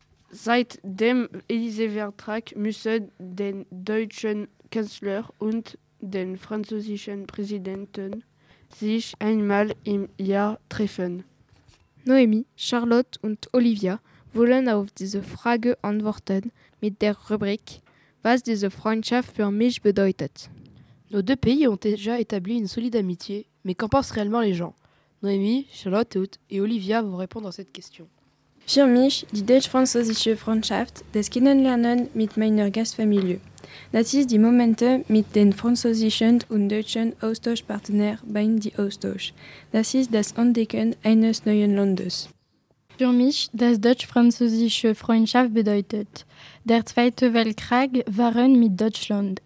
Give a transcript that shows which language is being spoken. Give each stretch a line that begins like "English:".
German: Seit dem Élysée-Vertrag müssen den deutschen Kanzler und den französischen Präsidenten sich einmal im Jahr treffen. Noémie, Charlotte und Olivia wollen auf diese Frage antworten mit der Rubrik Was diese Freundschaft für mich bedeutet.
French: Nos deux pays ont déjà établi une solide amitié. Mais qu'en pensent réellement les gens ? Noémie, Charlotte et Olivia vont répondre à cette question.
German: Für mich, die deutsch-französische Freundschaft, des Kennenlernen mit meiner Gastfamilie. Das ist die Momente mit den französischen und deutschen Austauschpartnern beim Austausch. Das ist das Entdecken eines neuen Landes. Für mich, das deutsch-französische Freundschaft bedeutet, der Zweite Weltkrieg waren mit Deutschland.